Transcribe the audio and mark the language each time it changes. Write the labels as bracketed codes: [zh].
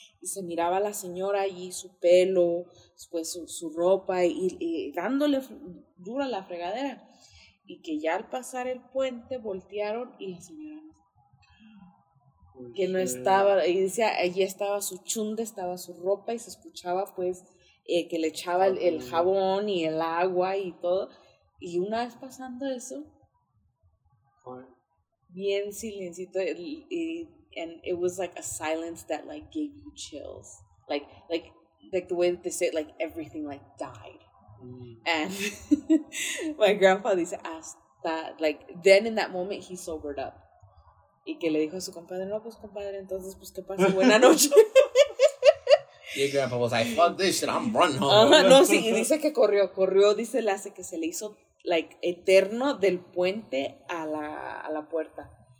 [es] Y se miraba la señora allí, su pelo, pues su ropa, y dándole dura la fregadera. Y que ya al pasar el puente voltearon y la señora no que no estaba, y decía, allí estaba su chunda, estaba su ropa, y se escuchaba, pues, que le echaba el jabón y el agua y todo. Y una vez pasando eso, bien silencito, [en] and it was like a silence that, like, gave you chills. Like the way that they say it, like, everything, like, died. And my grandpa [es] dice, hasta, [en] like, then in that moment, he sobered up. [es] Y que le dijo a su compadre, no, pues, compadre, entonces, pues, que pase buena noche. [en] Your grandpa was like, fuck this shit, I'm running home. [es] No, sí, y dice que corrió, dice el hace que se le hizo, like, eterno del puente a la puerta.